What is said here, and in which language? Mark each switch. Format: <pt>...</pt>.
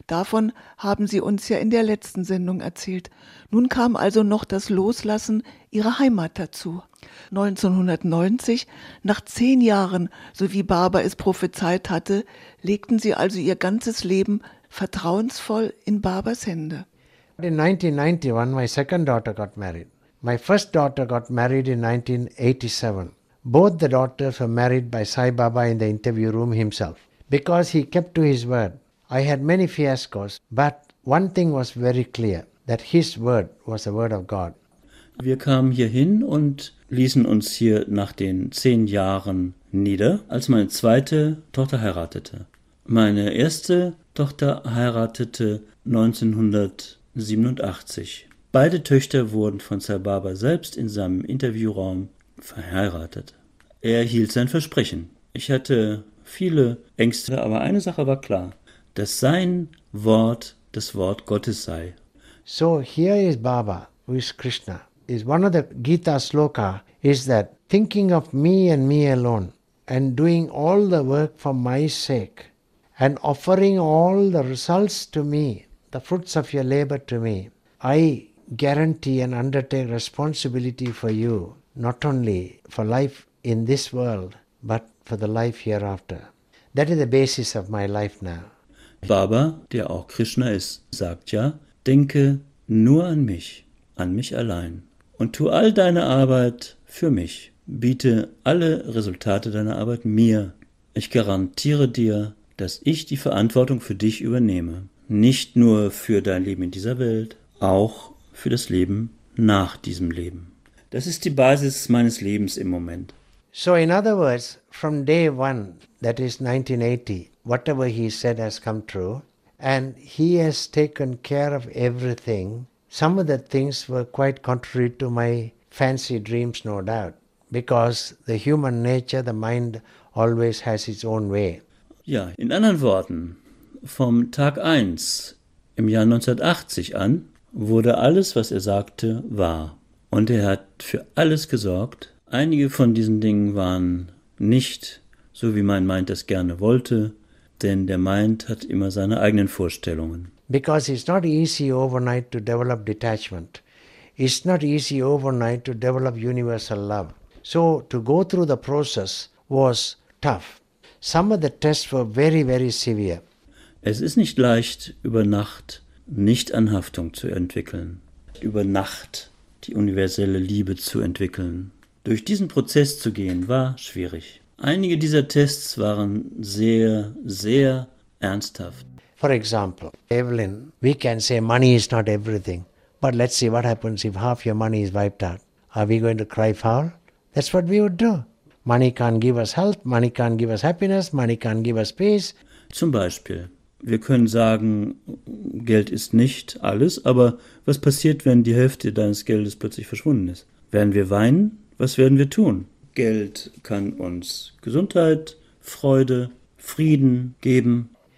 <de>Davon haben Sie uns ja in der letzten Sendung erzählt. Nun kam also noch das Loslassen Ihrer Heimat dazu. 1990, nach 10 Jahren, so wie Baba es prophezeit hatte, legten Sie also Ihr ganzes Leben vertrauensvoll in Babas Hände.</de> <en>In 1991, my second daughter got married. My first daughter got married in 1987. Both the daughters were married by Sai Baba in the interview room himself, because he kept to his word. I had many fiascos, but one thing was very clear, that his word was the word of God.</en> <de>Wir kamen hierhin und ließen uns hier nach den 10 Jahren nieder, als meine zweite Tochter heiratete. Meine erste Tochter heiratete 1987. Beide Töchter wurden von Sai Baba selbst in seinem Interviewraum verheiratet. Er hielt sein Versprechen. Ich hatte viele Ängste, aber eine Sache war klar, dass sein Wort das Wort Gottes sei.</de> <en>So here is Baba, who is Krishna. Is one of the Gita Sloka is that thinking of me and me alone and doing all the work for my sake and offering all the results to me, the fruits of your labor to me, I guarantee and undertake responsibility for you. Not only for life in this world, but for the life hereafter. That is the basis of my life now.</en> <de>Baba, der auch Krishna ist, sagt ja, denke nur an mich allein. Und tu all deine Arbeit für mich. Biete alle Resultate deiner Arbeit mir. Ich garantiere dir, dass ich die Verantwortung für dich übernehme. Nicht nur für dein Leben in dieser Welt, auch für das Leben nach diesem Leben. Das ist die Basis meines Lebens im Moment.</de> <en>So in other words, from day one, that is 1980, whatever he said has come true, and he has taken care of everything. Some of the things were quite contrary to my fancy dreams, no doubt, because the human nature, the mind, always has its own way.</en> <de>Ja, in anderen Worten, vom Tag 1 im Jahr 1980 an, wurde alles, was er sagte, wahr. Und er hat für alles gesorgt. Einige von diesen Dingen waren nicht so, wie mein Mind das gerne wollte, denn der Mind hat immer seine eigenen Vorstellungen.</de> <en>Because it's not easy overnight to develop detachment. It's not easy overnight to develop universal love. So to go through the process was tough. Some of the tests were very, very severe.</en> <de>Es ist nicht leicht, über Nacht Nichtanhaftung zu entwickeln. Über Nacht die universelle Liebe zu entwickeln. Durch diesen Prozess zu gehen, war schwierig. Einige dieser Tests waren sehr, sehr ernsthaft.</de> <en>For example, Evelyn, we can say money is not everything, but let's see what happens if half your money is wiped out. Are we going to cry foul? That's what we would do. Money can't give us health, money can't give us happiness, money can't give us peace.</en> <de>Zum Beispiel, wir können sagen, Geld ist nicht alles, aber was passiert, wenn die Hälfte deines Geldes plötzlich verschwunden ist? Werden wir weinen? Was werden wir tun? Geld kann uns Gesundheit, Freude, Frieden geben.</de>